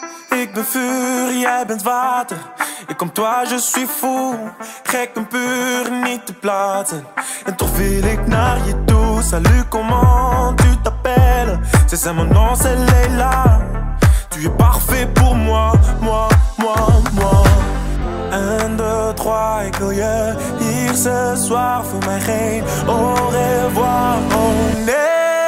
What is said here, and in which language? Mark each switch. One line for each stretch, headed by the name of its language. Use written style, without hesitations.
Dutch: Ik ben vuur, jij bent water. Ik kom toi,
French: je suis fou.
Dutch: Gek en puur, niet te plaatsen. En toch wil ik naar je toe.
French: Salut, comment tu t'appelles? C'est ça, mon nom, c'est Leila. Tu es parfait pour moi, moi, moi, moi.
Dutch: 1, 2, 3, ik wil je hier
French: ce soir.
Dutch: Voor mij geen
French: au revoir,
Dutch: oh nee.